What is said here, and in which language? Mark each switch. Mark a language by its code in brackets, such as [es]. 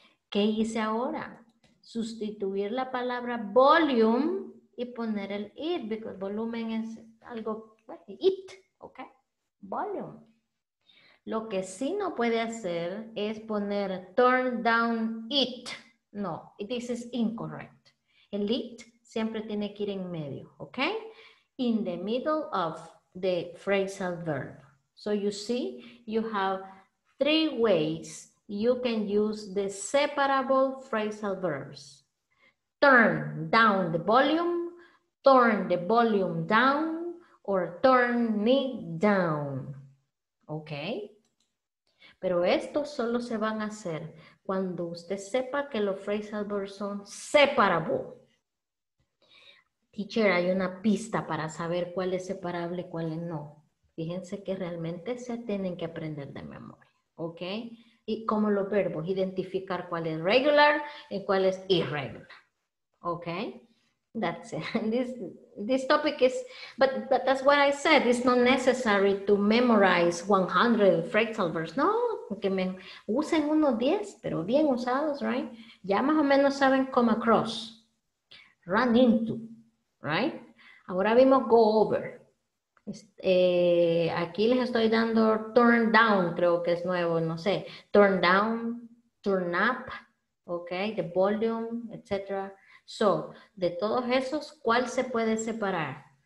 [es] ¿Qué hice ahora? Sustituir la palabra volume y poner el it, porque volumen es algo, it, ok, volume. Lo que sí no puede hacer es poner turn down it. [en] No, this is incorrect. [es] El it siempre tiene que ir en medio, ¿ok? [en] In the middle of the phrasal verb. So you see, you have three ways you can use the separable phrasal verbs. Turn down the volume, turn the volume down, or turn it down, ¿ok? [es] Pero esto solo se van a hacer cuando usted sepa que los phrasal verbs son separable. Teacher, hay una pista para saber cuál es separable y cuál es no. Fíjense que realmente se tienen que aprender de memoria, ¿ok? Y como los verbos, identificar cuál es regular y cuál es irregular, ¿ok? [en] That's it. This topic is, but that's what I said. It's not necessary to memorize 100 phrasal verbs. [es] No, que me usen unos 10, pero bien usados, right? Ya más o menos saben come across, run into, right? Ahora vimos go over. Aquí les estoy dando turn down, creo que es nuevo, no sé. [en] Turn down, turn up, okay, the volume, etc. [es] So, de todos esos, ¿cuál se puede separar?